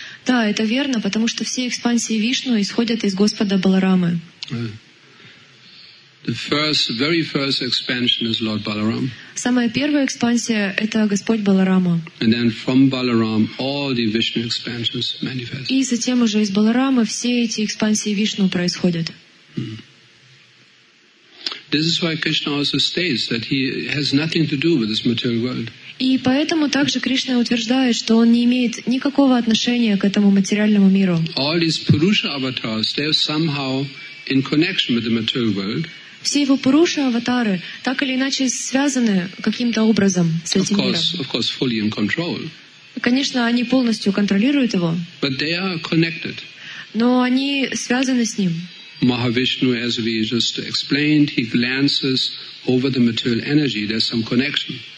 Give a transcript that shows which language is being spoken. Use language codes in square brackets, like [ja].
[ru] Да, это верно, потому что все экспансии Вишну исходят из Господа Баларамы. [en] The first, very first expansion is Lord Balaram. [ru] Самая первая экспансия — это Господь Баларама. [en] And then from Balaram, all the Vishnu expansions manifest. [ru] И затем уже из Баларамы все эти экспансии Вишну происходят. [en] This is why Krishna also states that he has nothing to do with this material world. [ru] И поэтому также Кришна утверждает, что он не имеет никакого отношения к этому материальному миру. [en] All these Purusha avatars, they are somehow in connection with the material world. [ru] Все его Пуруша аватары так или иначе связаны каким-то образом с этим миром. [en] Of course, fully in control. [ru] Конечно, они полностью контролируют его. [en] But they are connected. [ru] Но они связаны с ним. [en] Mahavishnu, as we just explained, he glances over the material energy. There's some connection.